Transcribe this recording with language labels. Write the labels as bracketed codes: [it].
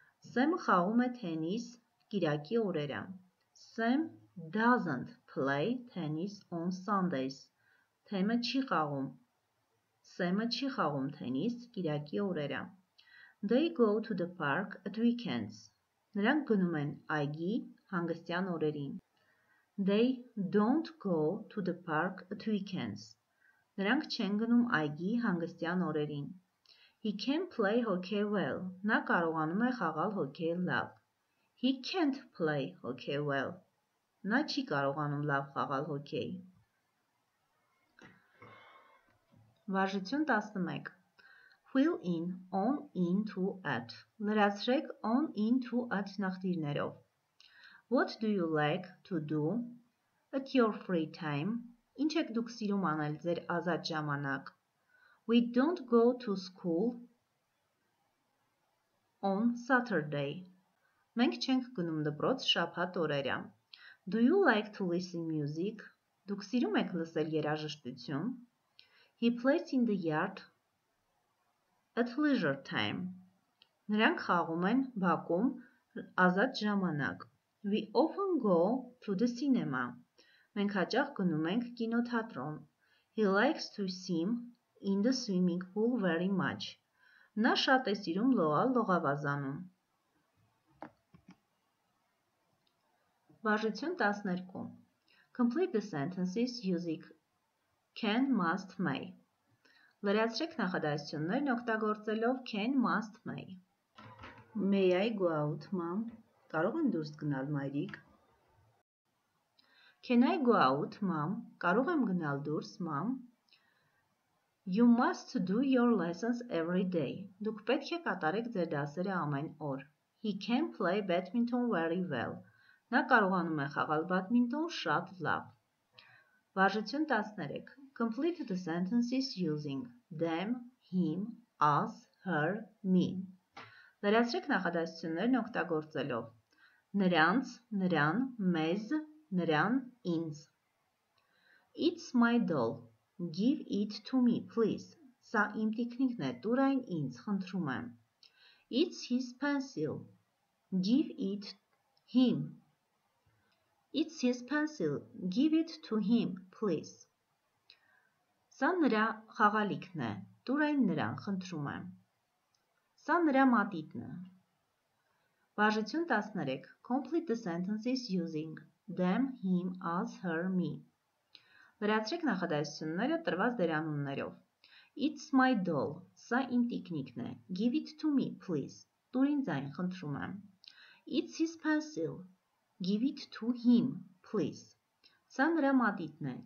[hy] Սեմը խաղում է թենիս կիրակի օրերը. [en] Sam doesn't play tennis on Sundays. [hy] Թեմը չի խաղում. Սեմը չի խաղում թենիս կիրակի օրերը. [en] They go to the park at weekends. [hy] Նրանք գնում են այգի հանգստյան օրերին. [en] They don't go to the park at weekends. [hy] Նրանք չեն գնում այգի հանգստյան օրերին. [en] He can play hockey well. [hy] Նա կարողանում է խաղալ հոկեյ լավ. [en] He can't play hockey well. [hy] Նա չի կարողանում լավ խաղալ հոկեյ. Վարժություն 11. [en] Fill in on into at. [hy] Լրացրեք on into at նախտիրներով. [en] What do you like to do at your free time? [hy] Ինչ եք դուք սիրում անել ձեր ազատ ժամանակ? [en] We don't go to school on Saturday. [hy] Մենք չենք գնում դպրոց շաբաթ օրերը. [en] Do you like to listen music? [hy] Դուք սիրում եք լսել երաժշտություն? [en] He plays in the yard at leisure time. [hy] Նրանք խաղում են բակում ազատ ժամանակ. [en] We often go to the cinema. [hy] Մենք հաճախ գնում ենք կինոթատրոն. [en] He likes to swim in the swimming pool very much. [hy] Նա շատ է սիրում լողալ լողավազանում. Վարժություն 12. [en] Complete the sentences using can, must, may. [hy] Լրացրեք նախադասություններն օգտագործելով can, must, may. [en] May I go out, mom? [hy] Կարող եմ դուրս գնալ, մայրիկ? [en] Can I go out, mom? [hy] Կարող եմ գնալ դուրս, [en] mom? You must do your lessons every day. [hy] Դուք պետք է կատարեք ձեր դասերը ամեն օր. [en] He can play badminton very well. [hy] Նա կարողանում է խաղալ բադմինտոն շատ լավ. Վարժություն 13. [en] Complete the sentences using them, him, us, her, me. [hy] Լրացրեք նախադասություններն օգտագործելով. Նրանց, նրան, մեզ, նրան, ինձ. [en] It's my doll. Give it to me, please. [hy] Սա իմ տիկնիկն է, տուր այն ինձ, խնդրում եմ. [en] It's his pencil. Give it him. It's his pencil. Give it to him, please. [hy] Սա նրա խաղալիքն է, տուր այն նրան, խնդրում եմ. Սա նրա մատիտն է. Վարժություն 13. [en] Complete the sentences using them, him, us, her, me. [hy] Լրացրեք նախադասությունները տրված դերանուններով. [en] It's my doll. [hy] Սա իմ տիկնիկն է. [en] Give it to me, please. [hy] Տուր ինձ այն, խնդրում եմ. [en] It's his pencil. Give it to him, please. [hy] Սա նրա մատիտն է.